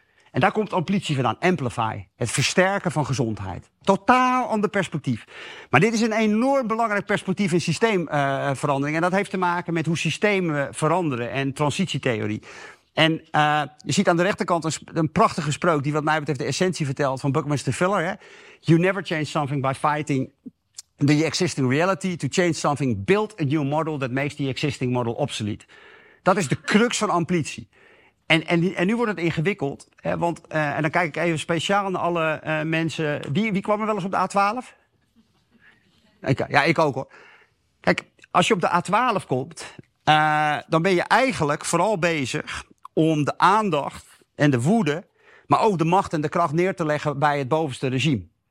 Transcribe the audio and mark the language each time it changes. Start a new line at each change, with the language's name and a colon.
Dutch: En daar komt amplitie vandaan, amplify, het versterken van gezondheid. Totaal ander perspectief. Maar dit is een enorm belangrijk perspectief in systeemverandering. En dat heeft te maken met hoe systemen veranderen en transitietheorie. En je ziet aan de rechterkant een prachtige spreuk die wat mij betreft de essentie vertelt van Buckminster Fuller. Hè?
English: You never change something by fighting the existing reality. To change something, build a new model that makes the existing model obsolete.
Dutch: Dat is de crux van amplitie. En nu wordt het ingewikkeld, hè, want en dan kijk ik even speciaal naar alle mensen. Wie kwam er wel eens op de A12? Ik ook hoor. Kijk, als je op de A12 komt, dan ben je eigenlijk vooral bezig om de aandacht en de woede, maar ook de macht en de kracht neer te leggen bij het bovenste regime.